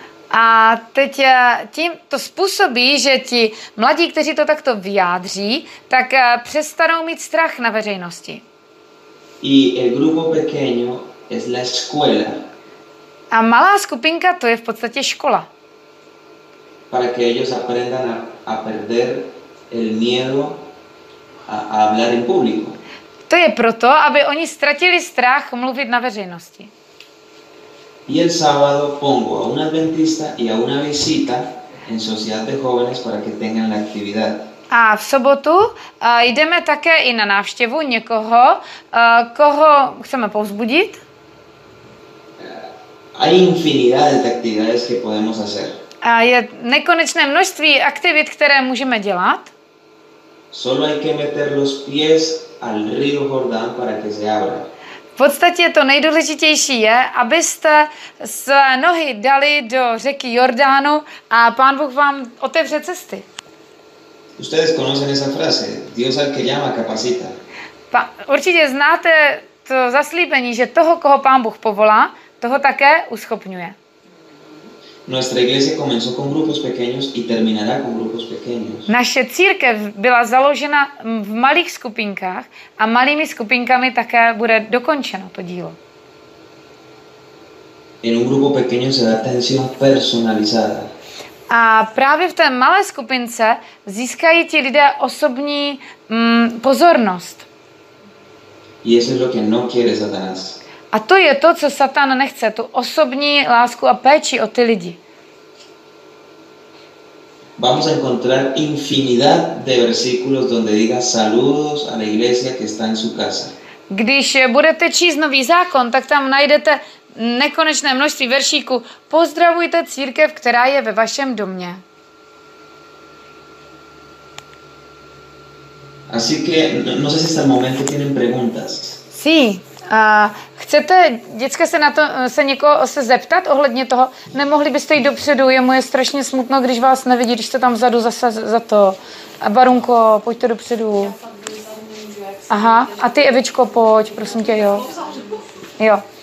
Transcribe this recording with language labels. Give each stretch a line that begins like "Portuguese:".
Czech: A teď tím to způsobí, že ti mladí, kteří to takto vyjádří, tak přestanou mít strach na veřejnosti.
Spanish: Y el grupo pequeño es la escuela.
Czech: A malá skupinka to je v podstatě škola.
Spanish: Para que ellos aprendan a perder el miedo a hablar en público.
Czech: To je proto, aby oni ztratili strach mluvit na veřejnosti.
Spanish: Y el sábado pongo a un adventista y a una visita en sociedad de jóvenes para que tengan la actividad.
Czech: A v sobotu jdeme také i na návštěvu někoho, koho chceme povzbudit.
Spanish: Hay infinidad de actividades que podemos hacer.
Czech: A je nekonečné množství aktivit, které můžeme dělat.
Spanish: Solo hay que meter los pies al río Jordán para que se abra.
Czech: V podstatě to nejdůležitější je, abyste své nohy dali do řeky Jordánu a Pán Bůh vám otevře cesty.
Spanish: Ustedes conocen esa frase, Dios al que llama capacita.
Czech: Určitě znáte to zaslíbení, že toho, koho Pán Bůh povolá, toho také uschopňuje.
Spanish: Nuestra iglesia comenzó con grupos pequeños y terminará con grupos pequeños.
Czech: Naše církev byla založena v malých skupinkách a malými skupinkami také bude dokončeno to dílo.
Spanish: En un grupo pequeño se da atención personalizada.
Czech: A právě v té malé skupince získají ti lidé osobní pozornost.
Spanish: Y eso es lo que no quiere Satanás.
Czech: A to je to, co Satan nechce, tu osobní lásku a péči o ty lidi.
Spanish: Vamos a encontrar infinidad de versículos donde diga saludos a la iglesia que está en su casa.
Czech: Když budete číst nový zákon, tak tam najdete nekonečné množství veršíků. Pozdravujte církev, která je ve vašem domě.
Spanish: Así que no sé si hasta el momento tienen preguntas. Sí.
Czech: Chcete, děcka, se na to se někoho se zeptat ohledně toho? Nemohli byste jít dopředu, jemu je strašně smutno, když vás nevidí, když jste tam vzadu zase za to. A Barunko, pojďte dopředu. Aha, a ty Evičko, pojď, prosím tě, jo. Jo.